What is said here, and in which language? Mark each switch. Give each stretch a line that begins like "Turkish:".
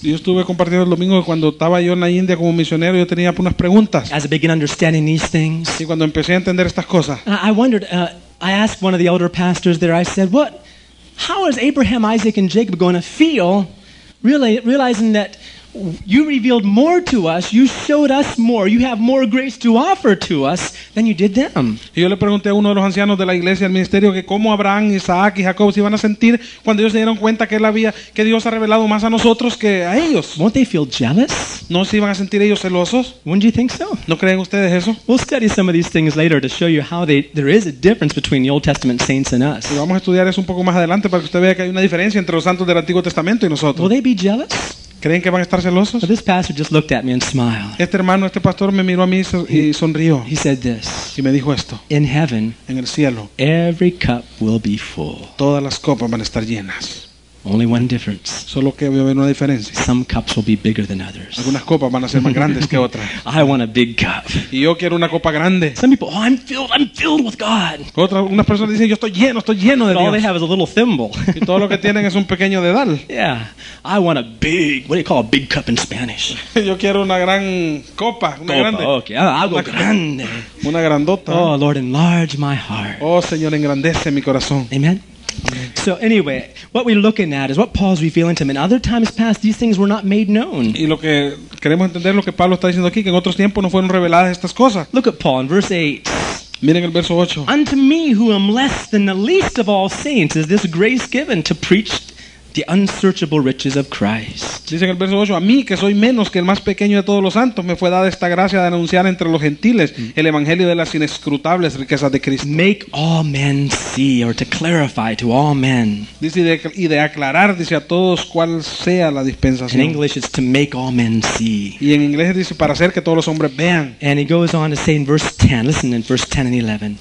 Spanish: Yo estuve compartiendo el domingo cuando estaba yo en la India como misionero, yo tenía unas preguntas.
English: As I began understanding these things.
Spanish: Y cuando empecé a entender estas cosas.
English: I wondered, I asked one of the elder pastors there, I said, "What? How is Abraham, Isaac and Jacob going to feel realizing that you revealed more to us, you showed us more, you have more grace to offer to us than you did them?"
Spanish: Y yo le pregunté a uno de los ancianos de la iglesia, al ministerio, que cómo Abraham, Isaac y Jacob se iban a sentir cuando ellos se dieron cuenta que él había, que Dios ha revelado más a nosotros que a ellos.
English: Won't they feel jealous?
Spanish: ¿No se iban a sentir ellos celosos?
English: Wouldn't you think so?
Spanish: ¿No creen ustedes eso?
English: We'll study some of these things later to show you how there is a difference between the Old Testament saints and us.
Spanish: Y vamos a estudiar eso un poco más adelante para que usted vea que hay una diferencia entre los santos del Antiguo Testamento y nosotros.
English: Will they be jealous?
Spanish: ¿Creen que van a estar celosos?
English: But this pastor just looked at me and smiled.
Spanish: Este hermano, este pastor me miró a mí y sonrió.
English: He said this.
Spanish: Y me dijo esto.
English: In heaven,
Spanish: en el cielo,
English: every cup will be full.
Spanish: Todas las copas van a estar llenas.
English: Only one difference.
Spanish: Solo que va a haber una diferencia.
English: Some cups will be bigger than others.
Spanish: Algunas copas van a ser más grandes que otras.
English: I want a big cup.
Spanish: Y yo quiero una copa grande.
English: Some people, oh, I'm filled with God.
Spanish: Unas personas dicen, yo estoy lleno de
English: all
Spanish: Dios.
English: All they have is a little thimble.
Spanish: Y todo lo que tienen es un pequeño dedal.
English: Yeah, I want a big. What do you call a big cup in Spanish?
Spanish: Yo quiero una gran copa, una copa, grande. Okay, algo grande. Una grandota.
English: Oh Lord, enlarge my heart.
Spanish: Oh Señor, engrandece mi corazón.
English: Amen. So anyway, what we're looking at is what Paul's revealing to him. In other times past, these things were not made known.
Spanish: Y lo que queremos entender lo que Pablo está diciendo aquí, que en otros tiempos no fueron reveladas estas cosas.
English: Look at Paul in verse 8.
Spanish: Miren el verso 8.
English: Unto me, who am less than the least of all saints, is this grace given to preach the unsearchable riches of Christ.
Spanish: Dice en el verso 8, a mí que soy menos que el más pequeño de todos los santos, me fue dada esta gracia de anunciar entre los gentiles el evangelio de las inescrutables riquezas de Cristo.
English: Make all men see, or to clarify to all men.
Spanish: Dice y de aclarar, dice a todos cuál sea la dispensación.
English: In English it's to make all men see.
Spanish: Y en inglés dice para hacer que todos los hombres vean.
English: And he goes on to say in verse 10, listen in verse 10 and 11.